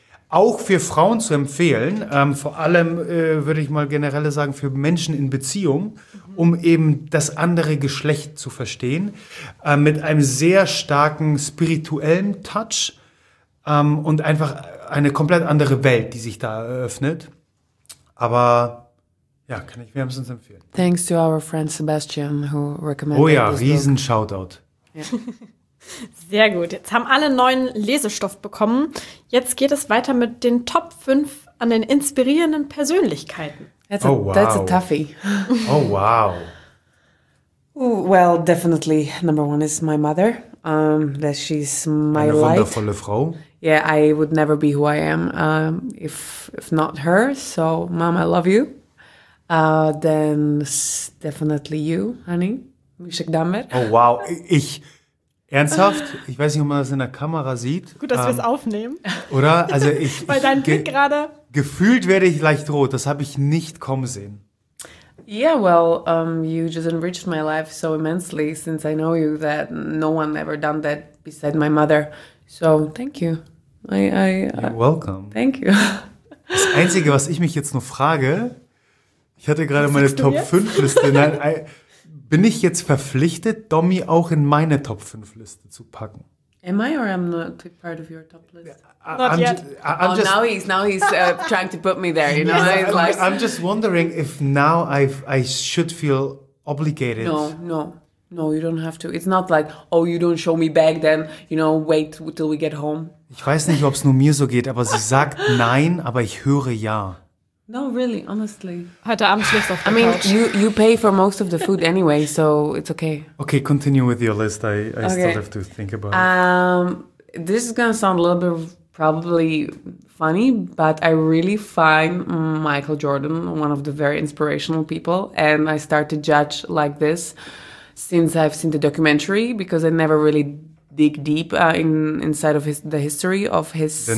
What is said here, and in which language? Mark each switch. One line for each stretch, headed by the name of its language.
German: Auch für Frauen zu empfehlen, vor allem würde ich mal generell sagen, für Menschen in Beziehung, um eben das andere Geschlecht zu verstehen, mit einem sehr starken spirituellen Touch und einfach eine komplett andere Welt, die sich da eröffnet. Aber ja, kann ich wärmstens empfehlen.
English: Thanks to our friend Sebastian, who recommended book. Oh
German: ja, riesen Shoutout. Sehr gut. Jetzt haben alle neuen Lesestoff bekommen. Jetzt geht es weiter mit den Top 5 an den inspirierenden Persönlichkeiten.
English: That's a toughie. Oh, wow. Well, definitely number one is my mother. That she's my
German: eine
English: light.
German: Wundervolle Frau.
English: Yeah, I would never be who I am if not her. So, Mom, I love you. Then definitely you, honey. Mishek Damer. Oh, wow.
German: Ich... Ernsthaft? Ich weiß nicht, ob man das in der Kamera sieht. Gut, dass wir es aufnehmen. Oder? Also ich weil dein Blick gerade... Gefühlt werde ich leicht rot. Das habe ich nicht kommen sehen.
English: Yeah, well, you just enriched my life so immensely since I know you that no one ever done that beside my mother. So, thank you. You're welcome. Thank you.
German: Das Einzige, was ich mich jetzt nur frage, ich hatte gerade meine Top 5 Liste. Nein, bin ich jetzt verpflichtet, Domi auch in meine Top 5 Liste zu packen?
English: Am I or am not part of your top list? Not yet. Now he's trying to put me there, you know? Yeah, I'm just wondering if now I should feel obligated. No, you don't have to. It's not like, oh, you don't show me back then, you know, wait till we get home.
German: Ich weiß nicht, ob es nur mir so geht, aber sie sagt nein, aber ich höre ja.
English: No, really, honestly.
German: Heute Abend schläfst du auf der
English: Couch. I mean, you pay for most of the food anyway, so it's okay. Okay, continue with your list. I still have to think about it. This is going to sound a little bit probably funny, but I really find Michael Jordan one of the very inspirational people, and I start to judge like this since I've seen the documentary, because I never really dig deep inside of the history of his